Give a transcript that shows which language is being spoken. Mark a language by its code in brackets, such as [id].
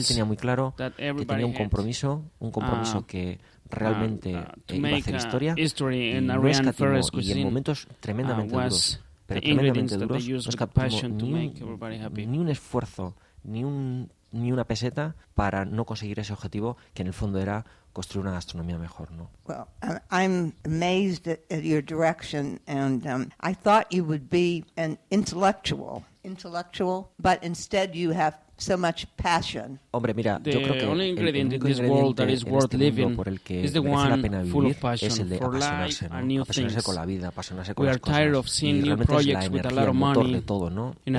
[es] Él tenía muy claro que tenía un compromiso que realmente iba a hacer historia y no escatimó. Y en momentos tremendamente duros, pero tremendamente duros, no escatimó ni un esfuerzo, ni una peseta para no conseguir ese objetivo que en el fondo era construir una gastronomía mejor, ¿no? [en] Well, I'm amazed at your direction, and I thought you would be an intellectual, but instead you have so much passion. [es] Hombre, mira, yo creo que el único ingrediente en este mundo por el que merece la pena vivir es el de apasionarse, ¿no? Apasionarse con la vida, apasionarse con las cosas. Y realmente es la energía, el motor de todo, ¿no?